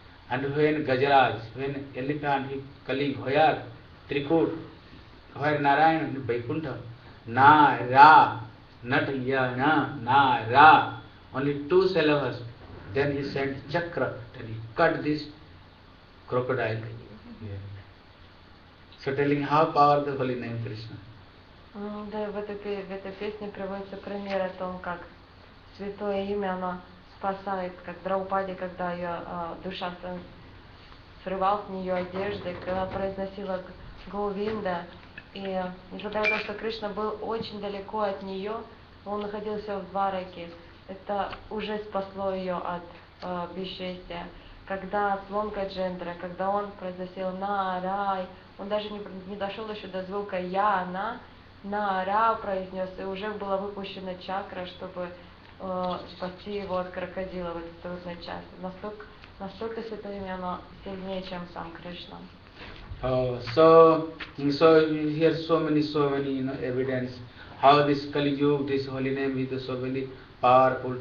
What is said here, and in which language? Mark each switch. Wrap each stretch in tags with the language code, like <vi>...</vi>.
<en>And when Gajaraj, when elephant, he calling Hoyar, Trikur, Hoyar Narayan, Vaikuntha, Na Ra, not Ya Na, Na Ra, only two syllables. Then he sent Chakra, then he cut this crocodile. Yeah. So telling how powerful the holy name Krishna.</en> <ru>Да, в этой песне приводится пример о том, как святое имя оно спасает, как Драупади, когда ее душа срывал с нее одежды, когда произносила Говинда. И несмотря на то, что Кришна был очень далеко от нее, он находился в Двараке, это уже спасло ее от бесчестия. Когда слон Каджендра, когда он произносил Нарай, он даже не дошел еще до звука Я, она. Нара произнес, и уже была выпущена чакра, чтобы спасти его от крокодила в этой трудной части. Настолько святое имя, оно сильнее, чем сам Кришна.</ru> <en>So here so many, you know, evidence. How this Kali Yuga, this holy name is so very powerful.</en>